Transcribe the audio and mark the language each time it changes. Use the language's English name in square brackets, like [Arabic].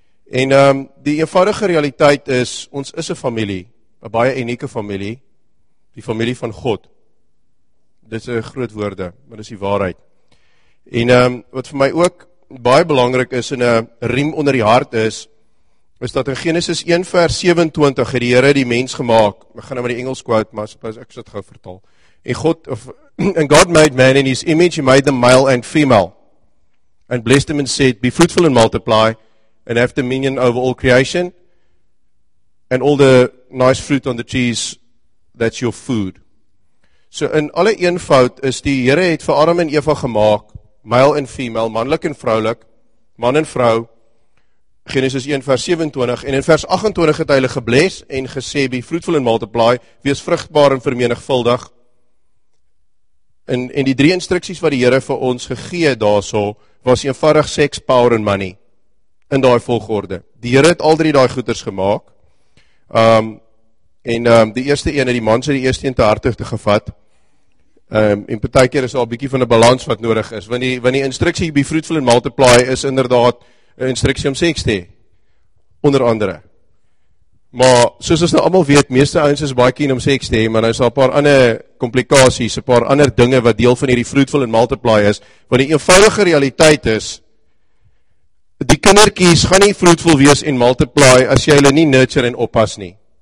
[Afrikaans] En die eenvoudige realiteit is, ons is 'n familie, 'n baie unieke familie, die familie van God. Dit is groot woorde, maar dit is die waarheid. En wat vir my ook baie belangrik is en 'n riem onder die hart is, is dat in Genesis 1 vers 27 het die Here die mens gemaak. Ek gaan nou met die Engels quote, maar suppose ek sit gou vertaal. [English] And God made man in his image, he made them male and female. And blessed them and said, be fruitful and multiply, and have dominion over all creation, and all the nice fruit on the trees, that's your food. [Afrikaans] So in alle eenvoud is die Here het vir Adam en Eva gemaak, male en female, manlik en vroulik, man en vrou, Genesis 1 vers 27, en in vers 28 het hy hulle gebles en gesê, [English] be fruitful and multiply, [Afrikaans] wees vrugbaar en vermenigvuldig. En die 3 instructies wat die Here vir ons gegee het daarso, was eenvoudig seks, [English] power and money, [Afrikaans] in daai volgorde. Die Here het al 3 daai goeders gemaak, En die eerste een, die man sy die eerste een te hartig te gevat. En partij keer is al bietjie van 'n balans wat nodig is. Want die instructie [English] be fruitful and multiply [Afrikaans] is inderdaad een instructie om seks te hê. Onder andere. Maar soos ons nou allemaal weet, meeste ouens is baie keen om seks te hê, maar nou is daar 'n paar ander komplikasies, 'n paar ander dinge wat deel van hierdie [English] fruitful and multiply [Afrikaans] is. Want die eenvoudige realiteit is, die kindertjies gaan nie fruitful wees en multiply as jy hulle nie nurture en oppas nie.